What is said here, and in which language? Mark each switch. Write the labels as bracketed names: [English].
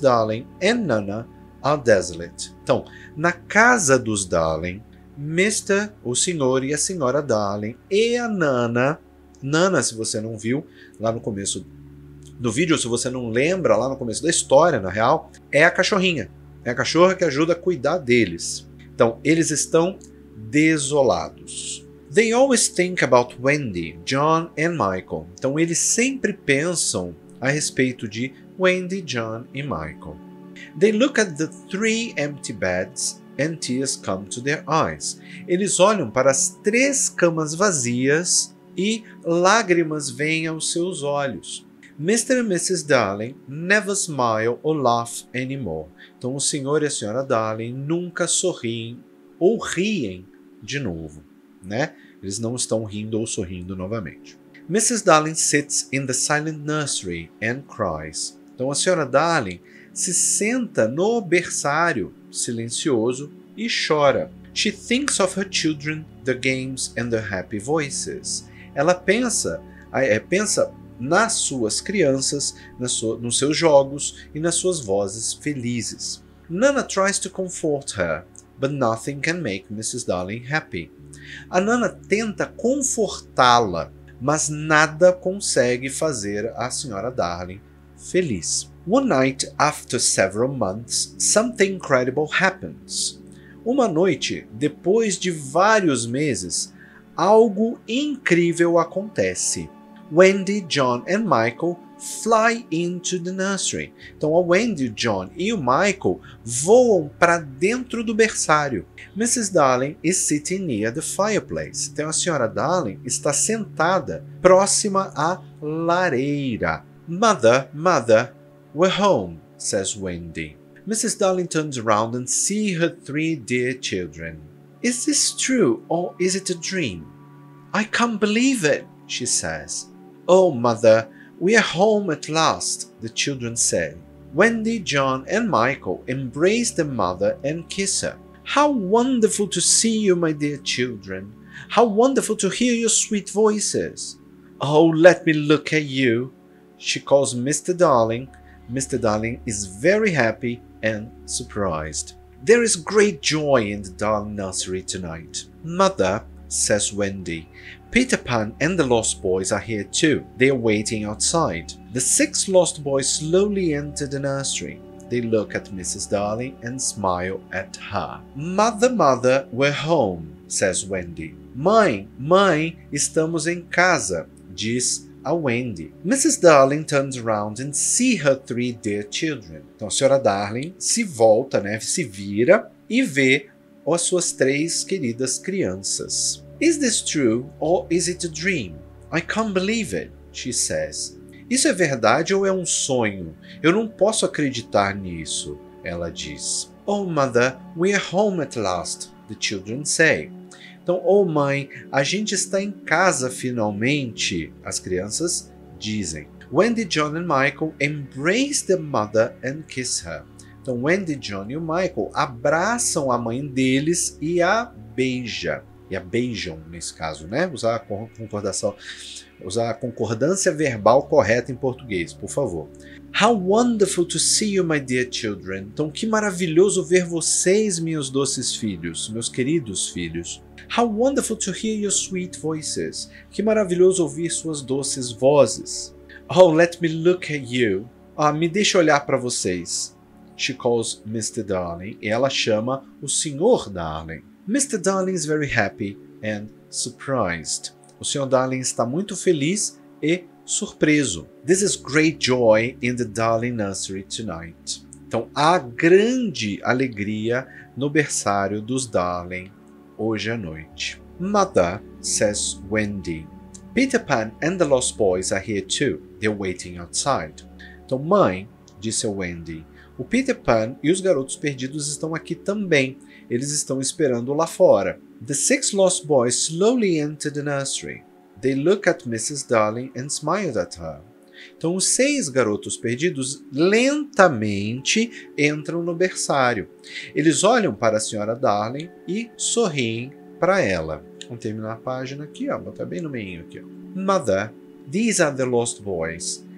[English] Darling and Nana are desolate. [Portuguese] Então, na casa dos Darling, Mr., o senhor e a senhora Darling e a Nana. Nana, se você não viu lá no começo do vídeo, se você não lembra, lá no começo da história, na real, é a cachorrinha. É a cachorra que ajuda a cuidar deles. Então, eles estão desolados. [English] They always think about Wendy, John and Michael. [Portuguese] Então, eles sempre pensam a respeito de Wendy, John e Michael. [English] They look at the three empty beds and tears come to their eyes. [Portuguese] Eles olham para as três camas vazias e lágrimas vêm aos seus olhos. Mr. and Mrs. [English] Darling never smile or laugh anymore. [Portuguese] Então, o senhor e a senhora Darling nunca sorriem ou riem de novo, né? Eles não estão rindo ou sorrindo novamente. Mrs. [English] Darling sits in the silent nursery and cries. [Portuguese] Então, a senhora Darling se senta no berçário silencioso e chora. [English] She thinks of her children, the games and the happy voices. [Portuguese] Ela pensa, nas suas crianças, nos seus jogos e nas suas vozes felizes. [English] Nana tries to comfort her, but nothing can make Mrs. Darling happy. [Portuguese] A Nana tenta confortá-la, mas nada consegue fazer a senhora Darling feliz. [English] One night, after several months, something incredible happens. [Portuguese] Uma noite, depois de vários meses, algo incrível acontece. [English] Wendy, John and Michael fly into the nursery. [Portuguese] Então, a Wendy, o John e o Michael voam para dentro do berçário. Mrs. [English] Darling is sitting near the fireplace. [Portuguese] Então, a senhora Darling está sentada próxima à lareira. [English] Mother, mother, we're home, says Wendy. Mrs. Darling turns around and sees her three dear children. Is this true or is it a dream? I can't believe it, she says. Oh, mother, we are home at last, the children say. Wendy, John, and Michael embrace their mother and kiss her. How wonderful to see you, my dear children. How wonderful to hear your sweet voices. Oh, let me look at you. She calls Mr. Darling. Mr. Darling is very happy and surprised. There is great joy in the Darling nursery tonight. Mother, says Wendy, Peter Pan and the Lost Boys are here too. They are waiting outside. The six Lost Boys slowly enter the nursery. They look at Mrs. Darling and smile at her. Mother, mother, we're home, says Wendy. [Portuguese] Mãe, mãe, estamos em casa, diz a Wendy. [English] Mrs. Darling turns around and see her three dear children. [Portuguese] Então, a senhora Darling se volta, né, se vira e vê as suas três queridas crianças. [English] Is this true or is it a dream? I can't believe it, she says. [Portuguese] Isso é verdade ou é um sonho? Eu não posso acreditar nisso, ela diz. [English] Oh, mother, we are home at last, the children say. [Portuguese] Então, oh, mãe, a gente está em casa finalmente, as crianças dizem. [English] Wendy, John and Michael embrace their mother and kiss her. [Portuguese] Então, Wendy, John e o Michael abraçam a mãe deles e a beija. E a beijam, nesse caso, né? Usar a concordação... Usar a concordância verbal correta em português, por favor. [English] How wonderful to see you, my dear children. [Portuguese] Então, que maravilhoso ver vocês, meus doces filhos, meus queridos filhos. [English] How wonderful to hear your sweet voices. [Portuguese] Que maravilhoso ouvir suas doces vozes. [English] Oh, let me look at you. [Portuguese] Ah, me deixa olhar para vocês. [English] She calls Mr. Darling. [Portuguese] E ela chama o Sr. Darling. [English] Mr. Darling is very happy and surprised. O Sr. [Portuguese] Darling está muito feliz e surpreso. [English] This is great joy in the Darling nursery tonight. [Portuguese] Então, há grande alegria no berçário dos Darling hoje à noite. [English] Mother, says Wendy. Peter Pan and the Lost Boys are here too. They're waiting outside. [Portuguese] Então, mãe, disse a Wendy, o Peter Pan e os garotos perdidos estão aqui também. Eles estão esperando lá fora. [English] The six lost boys slowly enter the nursery. They look at Mrs. Darling and smile at her. [Portuguese] Então, os seis garotos perdidos lentamente entram no berçário. Eles olham para a senhora Darling e sorriem para ela. Vamos terminar a página aqui, ó. Botar bem no meio aqui. Ó. [English] Mother, these are the lost boys.